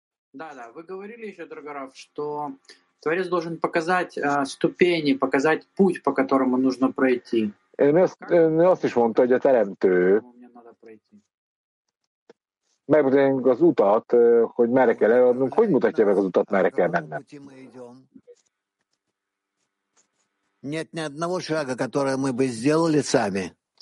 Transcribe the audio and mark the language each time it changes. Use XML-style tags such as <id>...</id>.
<ru>Да-да, вы говорили еще, Драгоров, что Творец должен показать ступени, показать путь, по которому нужно пройти.</ru> <hu>Ön azt is mondta, hogy a teremtő megmutatja az utat, hogy merre kell eladnunk. Hogy mutatja meg az utat, merre kell mennem?</hu> <ru>Нет ни одного шага, который мы бы сделали сами.</ru>